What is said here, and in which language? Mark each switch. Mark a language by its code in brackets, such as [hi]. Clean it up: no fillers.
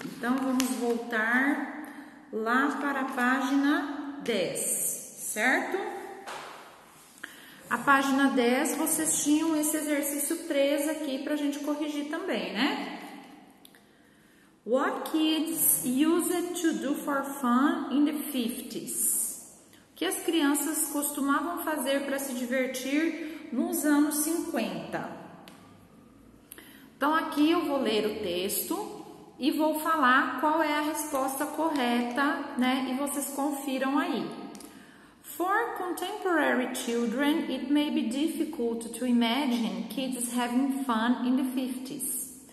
[pt] Então, vamos voltar lá para a página 10, certo? A página 10, vocês tinham esse exercício 3 aqui para a gente corrigir também, né? [en] What kids used to do for fun in the 50s? [pt] O que as crianças costumavam fazer para se divertir nos anos 50? Então, aqui eu vou ler o texto e vou falar qual é a resposta correta, né? E vocês confiram aí. [en] For contemporary children, it may be difficult to imagine kids having fun in the 50s.